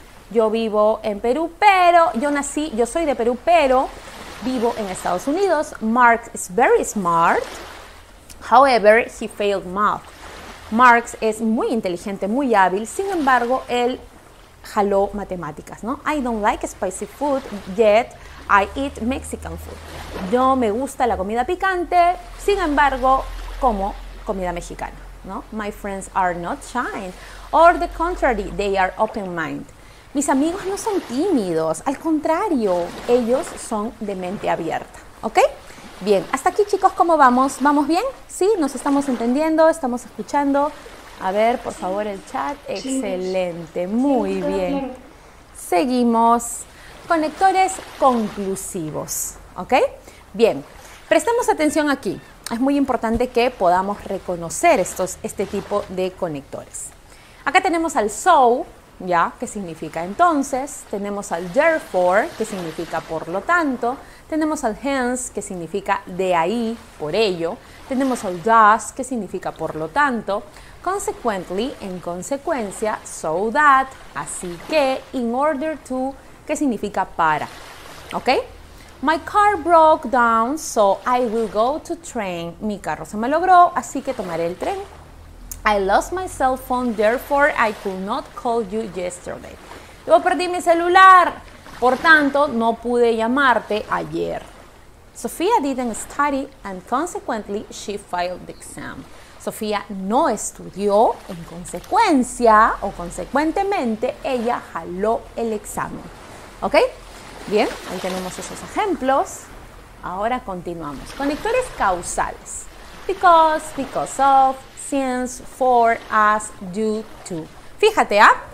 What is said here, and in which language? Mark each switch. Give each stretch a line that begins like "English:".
Spanish: Yo vivo en Perú, pero, yo soy de Perú, pero vivo en Estados Unidos.
English: Mark is very smart, however, he failed math.
Spanish: Marx es muy inteligente, muy hábil, sin embargo, él jaló matemáticas, ¿no?
English: I don't like spicy food, yet I eat Mexican food.
Spanish: Yo me gusta la comida picante, sin embargo, como comida mexicana, ¿no?
English: My friends are not shy, or the contrary, they are open-minded.
Spanish: Mis amigos no son tímidos, al contrario, ellos son de mente abierta, ¿ok? Bien, hasta aquí chicos, ¿cómo vamos? ¿Vamos bien? ¿Sí? ¿Nos estamos entendiendo? ¿Estamos escuchando? A ver, por favor, el chat. Sí. Excelente, muy sí, bien. Seguimos. Conectores conclusivos, ¿ok? Bien, prestemos atención aquí. Es muy importante que podamos reconocer este tipo de conectores. Acá tenemos al so, ¿ya? ¿Qué significa entonces? Tenemos al therefore, que significa por lo tanto. Tenemos al hence, que significa de ahí, por ello. Tenemos al thus, que significa por lo tanto. Consequently, en consecuencia, so that, así que, in order to, que significa para. ¿Ok?
English: My car broke down, so I will go to train.
Spanish: Mi carro se malogró, así que tomaré el tren.
English: I lost my cell phone, therefore I could not call you yesterday.
Spanish: Yo perdí mi celular, por tanto no pude llamarte ayer.
English: Sofía didn't study and consequently she failed the exam.
Spanish: Sofía no estudió, en consecuencia o consecuentemente ella jaló el examen. ¿Ok? Bien, ahí tenemos esos ejemplos. Ahora continuamos. Conectores causales. Because of, since, for, as, due to. Fíjate, ¿ah?